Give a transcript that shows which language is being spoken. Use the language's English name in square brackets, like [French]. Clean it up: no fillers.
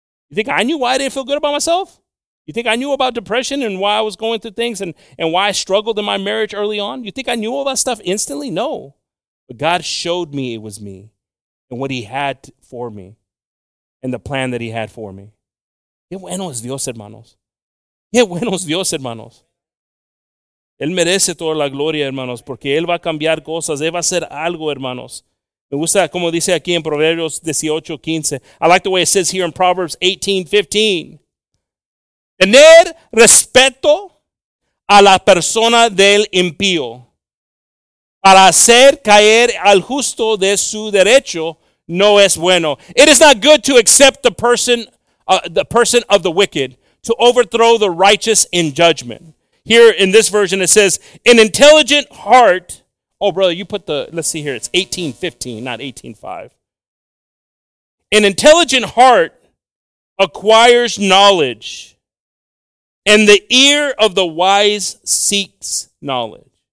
[English] You think I knew why I didn't feel good about myself? You think I knew about depression and why I was going through things and why I struggled in my marriage early on? You think I knew all that stuff instantly? No. But God showed me it was me and what he had for me and the plan that he had for me. [Spanish] Qué bueno es Dios, hermanos. Qué bueno es Dios, hermanos. Él merece toda la gloria, hermanos, porque Él va a cambiar cosas. Él va a hacer algo, hermanos. Me gusta como dice aquí en Proverbios 18:15. [English] I like the way it says here in Proverbs 18:15. [Spanish] Tener respeto a la persona del impío para hacer caer al justo de su derecho no es bueno. [English] It is not good to accept the person of the wicked to overthrow the righteous in judgment. Here in this version it says, an intelligent heart. Oh, brother, you put the, let's see here, it's 18:15, not 18:5. An intelligent heart acquires knowledge, and the ear of the wise seeks knowledge.